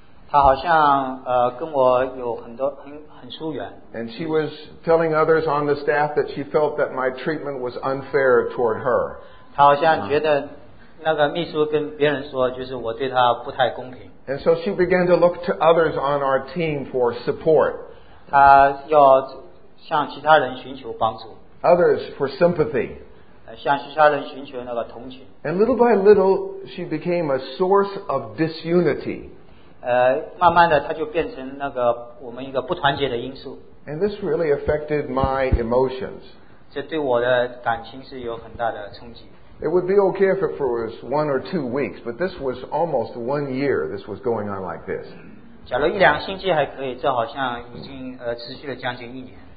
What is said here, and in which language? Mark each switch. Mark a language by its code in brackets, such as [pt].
[zh] 她好像跟我有很多很疏远。 [en] And she was telling others on the staff that she felt that my treatment was unfair toward her. [zh] 她好像觉得那个秘书跟别人说，就是我对她不太公平。 [en] And so she began to look to others on our team for support. [zh] 她要向其他人寻求帮助。 [en] Others for sympathy. [zh] 向其他人寻求那个同情。 [en] And little by little, she became a source of disunity. [zh] 慢慢的，她就变成那个我们一个不团结的因素。 [en] And this really affected my emotions. [zh] 这对我的感情是有很大的冲击。 [en] It would be okay if it was one or two weeks, but this was almost one year this was going on like this. [zh] 假如一两星期还可以，这好像已经持续了将近一年。